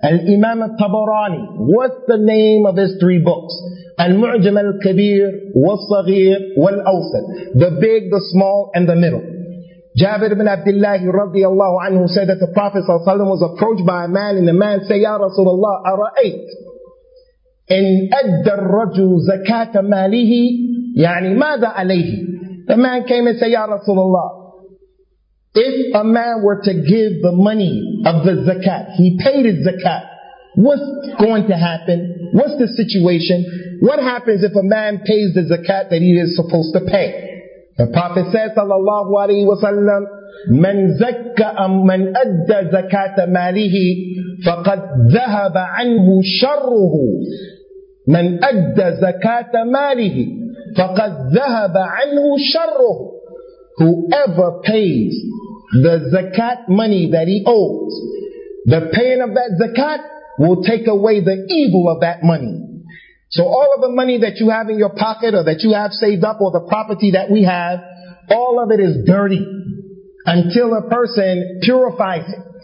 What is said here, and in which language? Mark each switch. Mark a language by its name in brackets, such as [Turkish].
[English] Al-Imam al-Tabarani, what's the name of his three books? Al-Mu'jam al-Kabir, wal-Saghir, wal-Awsat. The big, the small, and the middle. Jabir ibn Abdullah radiyallahu anhu said that the Prophet sallallahu alayhi wa sallam was approached by a man, and the man said, Ya Rasulullah, ara'ayt. [Arabic] إن أدى الرجل زكاة ماله يعني ماذا عليه. [English] The man came and said, Ya Rasulullah, if a man were to give the money of the zakat, he paid his zakat, what's going to happen? What's the situation? What happens if a man pays the zakat that he is supposed to pay? The Prophet said, sallallahu alayhi wa sallam, [Arabic] من زكى من أدى زكاة ماله فقد ذهب عنه شره. من أدى زكاة ماله فقد ذهب عنه شره. [English] Whoever pays the zakat money that he owes, the paying of that zakat will take away the evil of that money. So all of the money that you have in your pocket, or that you have saved up, or the property that we have, all of it is dirty until a person purifies it.